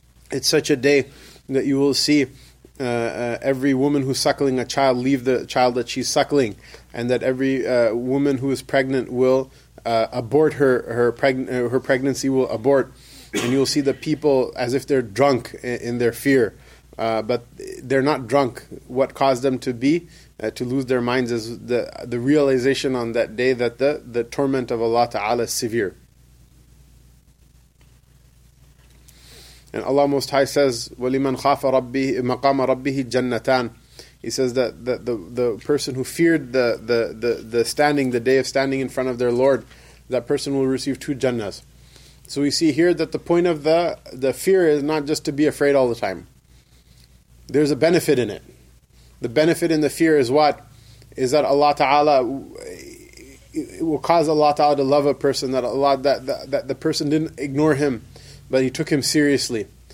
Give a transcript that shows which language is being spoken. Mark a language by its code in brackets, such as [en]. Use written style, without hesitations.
[en] It's such a day that you will see every woman who's suckling a child leave the child that she's suckling, and that every woman who is pregnant will abort her pregnancy will abort, and you'll see the people as if they're drunk in their fear, but they're not drunk. What caused them to be to lose their minds is the realization on that day that the torment of Allah Ta'ala is severe. [ar] And Allah Most High says, وَلِمَنْ خَافَ رَبِّهِ مَقَامَ رَبِّهِ جَنَّتَانَ. [en] He says that the person who feared the standing, the day of standing in front of their Lord, that person will receive two jannas. So we see here that the point of the fear is not just to be afraid all the time. There's a benefit in it. The benefit in the fear is what? Is that Allah Ta'ala, it will cause Allah Ta'ala to love a person, that Allah that the person didn't ignore him, but he took him seriously.